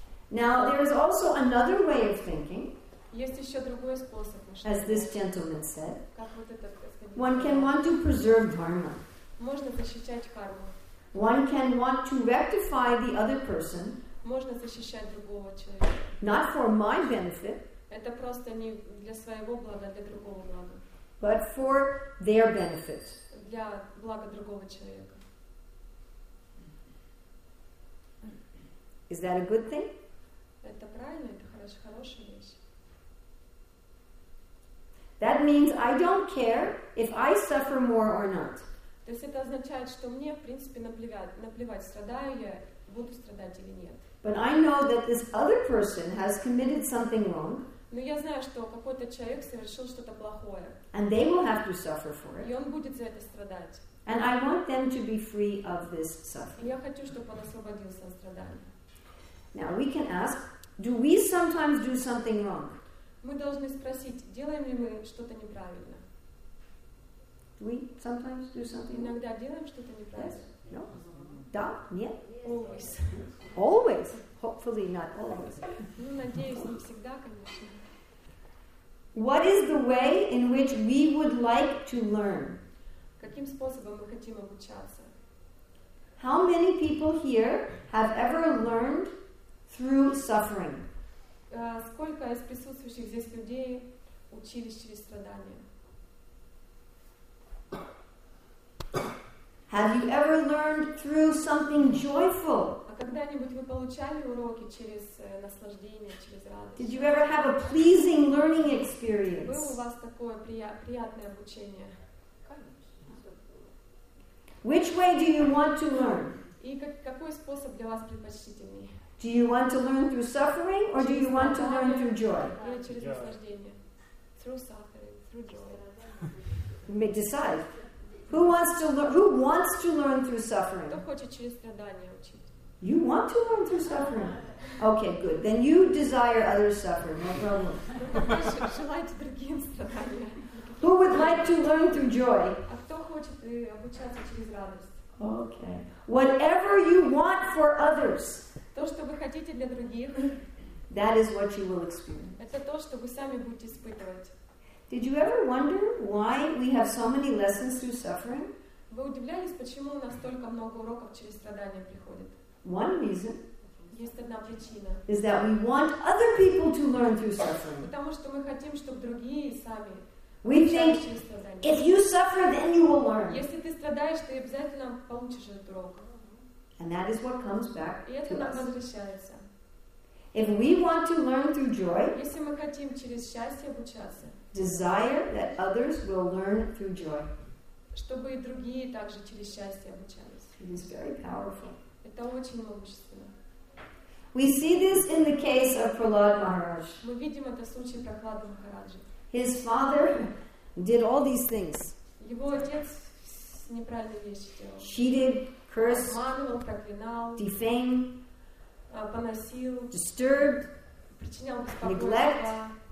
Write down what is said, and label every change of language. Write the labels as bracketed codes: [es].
[en] Now there is also another way of thinking. [ru] Есть еще другой способ. [en] As this gentleman said. [ru] Как вот этот господин. [en] One can want to preserve dharma. [ru] Можно защищать карму. [en] One can want to rectify the other person. [ru] Можно защищать другого человека. [en] Not for my benefit. [ru] Это просто не для своего блага, а для другого блага. [en] But for their benefit. [ru] Для блага другого человека. [en] Is that a good thing? [ru] Это правильно, это хорошая вещь. [en] That means I don't care if I suffer more or not. [ru] То есть это означает, что мне, в принципе, наплевать, страдаю я, буду страдать или нет. [en] But I know that this other person has committed something wrong. [ru] Но я знаю, что какой-то человек совершил что-то плохое. [en] And they will have to suffer for it. [ru] И он будет за это страдать. [en] And I want them to be free of this suffering. [ru] Я хочу, чтобы он освободился от страдания. [en] Now we can ask, do we sometimes do something wrong? [ru] Мы должны спросить, делаем ли мы что-то неправильно? [en] Do we sometimes do something wrong? [ru] Иногда делаем что-то неправильно? [en] Yes. No. [ru] Да? Нет? [en] Always. Always. Hopefully not always. [ru] Ну, надеюсь, не всегда, конечно. [en] What is the way in which we would like to learn? [ru] Каким способом мы хотим обучаться? [en] How many people here have ever learned through suffering? [ru] Сколько из присутствующих здесь людей учились через страдания? [en] Have you ever learned through something joyful? [ru] А когда-нибудь вы получали уроки через наслаждение, через радость? [en] Did you ever have a pleasing learning experience? [ru] Было у вас такое приятное обучение? [en] Which way do you want to learn? [ru] И какой способ для вас предпочтительней? [en] Do you want to learn through suffering or do you want to learn through joy? [ru] Или через наслаждение? [en] Through suffering, through joy. You may decide. Who wants to learn? Who wants to learn through suffering? [ru] Кто хочет через страдания учить? [en] You want to learn through suffering? Okay, good. Then you desire others suffering. No problem. [ru] Желайте другим страдания. [en] Who would like to learn through joy? [ru] А кто хочет обучаться через радость? [en] Okay. Whatever you want for others. [ru] То, что вы хотите для других. [en] That is what you will experience. [ru] Это то, что вы сами будете испытывать. [en] Did you ever wonder why we have so many lessons through suffering? [ru] Вы удивлялись, почему у нас столько много уроков через страдания приходит? [en] One reason. [ru] Есть одна причина. [en] Is that we want other people to learn through suffering. [ru] Потому что мы хотим, чтобы другие сами. [en] We think if you suffer, then you will learn. [ru] Если ты страдаешь, ты обязательно получишь этот урок. [en] And that is what comes back [ru] И это [en] to [ru] нам [en] us. [ru] Возвращается. [en] If we want to learn through joy, [ru] если мы хотим через счастье обучаться, [en] desire that others will learn through joy, [ru] чтобы и другие также через счастье обучались. [en] It is very powerful. [ru] Это очень могущественно. [en] We see this in the case of Prahlad Maharaj. [ru] Мы видим это в случае Прохлады Махараджи. [en] His father did all these things. [ru] Его отец неправильные вещи делал. [en] Cheated, cursed, [ru] обманывал, проклинал, [en] defamed, [ru] поносил, [en] disturbed, [ru] причинял беспокойство, [en] neglect,